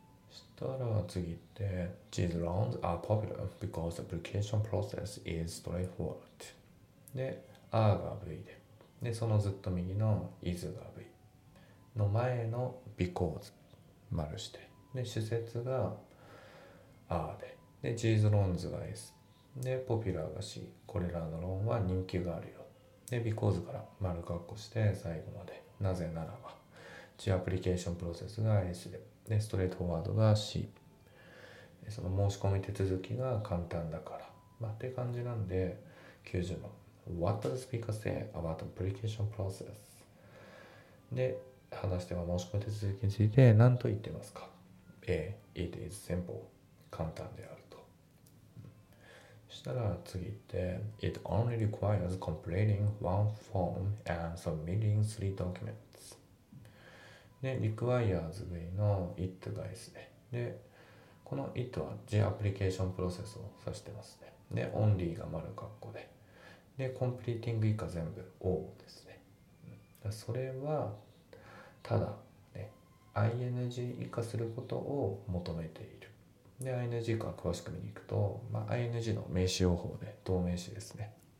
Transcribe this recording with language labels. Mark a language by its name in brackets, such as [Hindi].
[Japanese] そしたら次って [English] These loans are popular because the application process is straightforward [Japanese] で A が V で、でそのずっと右の Is が V の前の Because 丸してで主節が A で、で These loans が S でポピュラーが C、 これらのローンは人気があるよ。で because から丸括弧して最後まで、なぜならば地アプリケーションプロセスが S で、でストレートフォワードが C、 でその申し込み手続きが簡単だから、まあ、って感じなんで90番。 [English] What does the speaker say about the application process? [Japanese] で話しては申し込み手続きについて何と言ってますか。 [English] A. It is simple、 [Japanese] 簡単である。 したら次って [English] It only requires completing one form and submitting three documents [Japanese] で requires V の It が S で、でこの It は The application process を指してますね。で Only が丸括弧で、で completing 以下全部 O ですね。それはただ、ね、ING 以下することを求めている。で ING から詳しく見に行くと、まあ、ING の名詞用法で同名詞ですね。